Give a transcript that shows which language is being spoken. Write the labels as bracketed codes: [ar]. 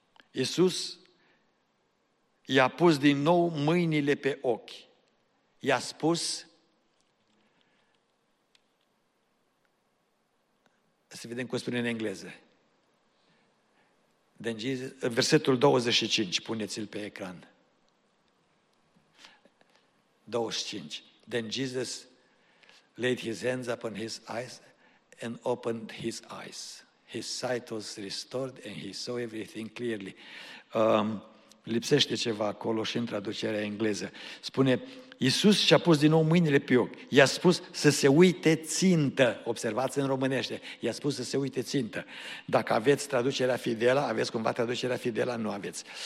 [ro] Iisus i-a pus din nou mâinile pe ochi. I-a spus, să vedem cum spune în engleză. Versetul 25, puneți-l pe ecran. 25. [en] Then Jesus laid his hands upon his eyes and opened his eyes. His sight was restored and he saw everything clearly. [ro] Lipsește ceva acolo și în traducerea engleză. Spune, Iisus și-a pus din nou mâinile pe ochi. I-a spus să se uite țintă. Observați în românește. I-a spus să se uite țintă. Dacă aveți traducerea fidelă, aveți cumva traducerea fidelă, nu aveți.